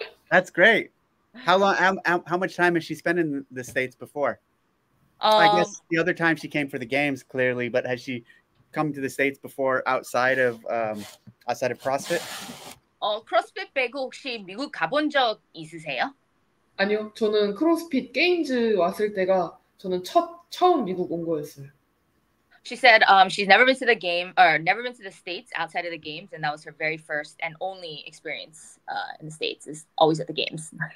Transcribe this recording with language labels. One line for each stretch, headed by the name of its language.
English: That's great. How much time has she spent in the States before? I guess the other time she came for the games, clearly, but has she come to the States before outside of CrossFit?
Korean: CrossFit 빼고 혹시 미국 가본 적 있으세요? 아니요. 저는 크로스핏 게임즈 왔을 때가 저는 처음 미국 온 거였어요.
English: She said she's never been to the game or never been to the States outside of the games, and that was her very first and only experience in the States, is always at the games.